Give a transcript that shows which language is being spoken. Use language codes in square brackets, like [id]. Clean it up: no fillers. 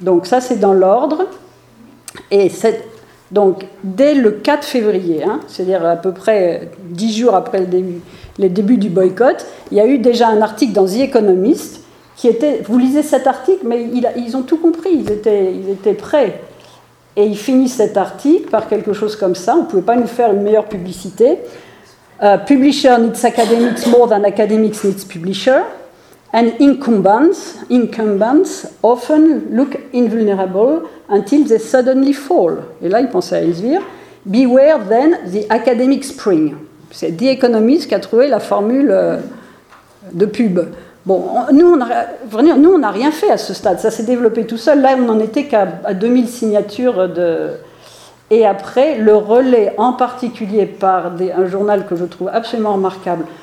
[fr] Donc ça, c'est dans l'ordre. Et c'est, donc, dès le 4 février, hein, c'est-à-dire à peu près 10 jours après le début du boycott, il y a eu déjà un article dans The Economist qui était... Vous lisez cet article, mais ils ont tout compris. Ils étaient prêts. Et ils finissent cet article par quelque chose comme ça. On ne pouvait pas nous faire une meilleure publicité. [en] Publisher needs academics more than academics needs publisher. And incumbents often look invulnerable until they suddenly fall. [fr] Et là, il pensait à Elsevier. [en] Beware then the academic spring. [fr] C'est The Economist qui a trouvé la formule de pub. Bon, nous, on n'a rien fait à ce stade. Ça s'est développé tout seul. Là, on n'en était qu'à 2000 signatures de... Et après, le relais, en particulier par un journal que je trouve absolument remarquable.